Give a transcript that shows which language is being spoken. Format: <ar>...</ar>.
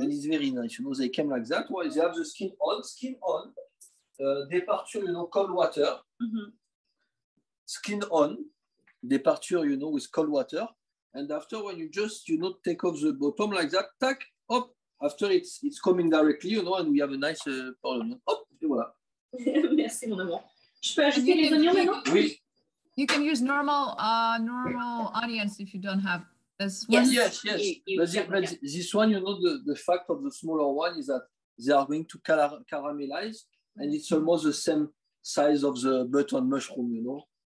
<en>And it's very nice, you know, they came like that. Well, they have the skin on, departure, you know, cold water. Mm-hmm. Skin on. Departure, you know, with cold water, and after when you just, you know, take off the bottom like that, tac, hop, after it's coming directly, you know, and we have a nice pearl onion, hop, et voilà.</en> <fr>Merci, mon amour. Je peux ajouter les oignons maintenant? Oui.</fr> <en>You can use normal onions if you don't have this one. Yes. But this one, you know, the fact of the smaller one is that they are going to caramelize, and it's almost the same size of the button mushroom, you know.</en>